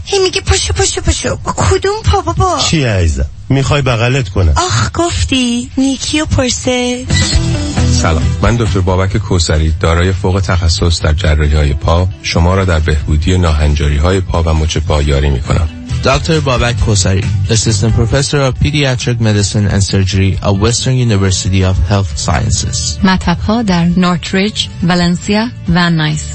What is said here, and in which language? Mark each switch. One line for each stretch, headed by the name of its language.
Persian: هی میگه پاشو پاشو پاشو. با کدوم پا بابا؟ چی عزیزم؟ میخوای بغلت کنم؟ آخ گفتی. نیکیو پرسه. سلام، من دکتر بابک کوسری دارای فوق تخصص در جراحی های پا، شما را در بهبودی ناهنجاری های پا و مچ پا یاری میکنم.
English: Dr. Babak Kosari, Assistant Professor of Pediatric Medicine and Surgery at Western University of Health Sciences.
Persian: مطب‌ها در نورتریج، والنسیا و نایس.